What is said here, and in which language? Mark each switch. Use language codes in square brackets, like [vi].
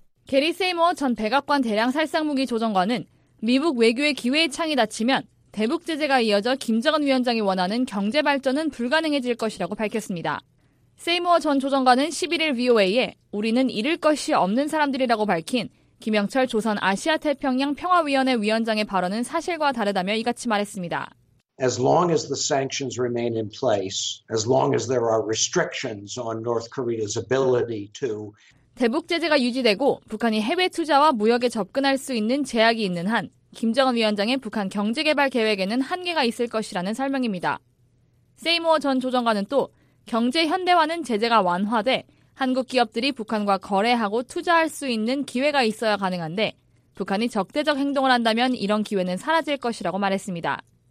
[ko] 게리 세이머 전 백악관 대량살상무기 조정관은 미국 외교의 기회의 창이 닫히면 대북 제재가 이어져 김정은 위원장이 원하는 경제 발전은 불가능해질 것이라고 밝혔습니다. 세이머 전 조정관은 11일 VOA에 우리는 잃을 것이 없는 사람들이라고 밝힌 김영철 조선 아시아 태평양 평화위원회 위원장의 발언은 사실과 다르다며 이같이 말했습니다. [en] As long as the sanctions remain in place, as long as there are restrictions on North Korea's ability to [ko] 대북 제재가 유지되고 북한이 해외 투자와 무역에 접근할 수 있는 제약이 있는 한 김정은 위원장의 북한 경제개발 계획에는 한계가 있을 것이라는 설명입니다. 세이모어 전 조정관은 또 경제 현대화는 제재가 완화돼 한국 기업들이 북한과 거래하고 투자할 수 있는 기회가 있어야 가능한데 북한이 적대적 행동을 한다면 이런 기회는 사라질 것이라고 말했습니다.